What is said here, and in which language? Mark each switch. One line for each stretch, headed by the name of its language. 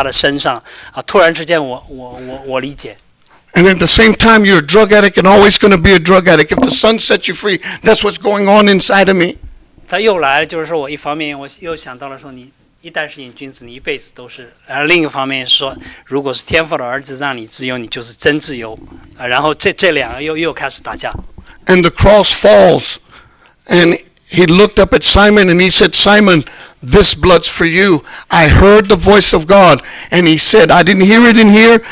Chinese: 然后他在唱歌词里头讲是他们耶稣是被辱骂被唾弃，他把世界上的所有的这个罪肩负在他的身上，突然之间我理解。
English: And at the same time, you're a drug addict and always going to be a drug addict. If the sun sets you free, that's what's going on inside of me.
Chinese: 他又来了，就是说我一方面我又想到了说你一旦是瘾君子，你一辈子都是；而另一方面是说，如果是天父的儿子让你自由，你就是真自由。然后这两个又开始打架。
English: And the cross falls, and he looked up at Simon and he said, "Simon, this blood's for you. I heard the voice of God." And he said, "I didn't hear it in here.